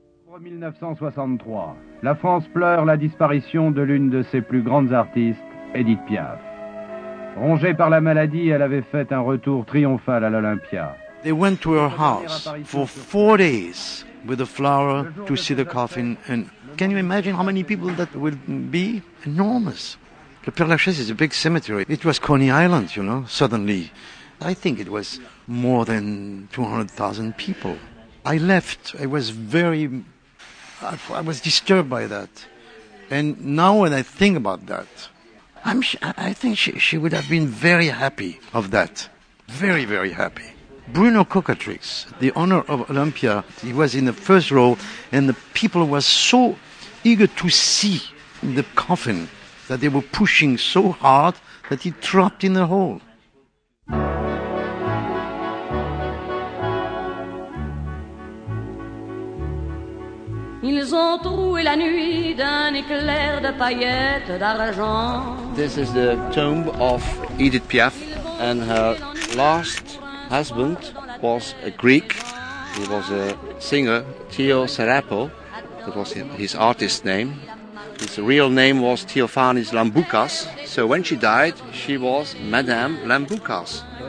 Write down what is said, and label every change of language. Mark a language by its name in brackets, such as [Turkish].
[French] En 1963, la France pleure la disparition de l'une de ses plus grandes artistes, Edith Piaf. Rongée par la maladie, elle avait fait un retour triomphal à l'Olympia. [English] They went to her house for 4 days with a flower to see the coffin. And can you imagine how many people that will be? Enormous. Le Père Lachaise is a big cemetery. It was Coney Island, you know, suddenly. I think it was more than 200,000 people. I left. I was disturbed by that. And now when I think about that, I think she would have been very happy of that. Very, very happy. Bruno Cocatrix, the owner of Olympia, he was in the first row, and the people were so eager to see the coffin that they were pushing so hard that he dropped in the hole. [French] Ils ont troué la nuit d'un éclair de paillettes d'argent. [English] This is the tomb of Edith Piaf, and her last husband was a Greek. He was a singer, Theo Serapo. That was his artist name. His real name was Theophanis Lamboukas. So when she died, she was Madame Lamboukas.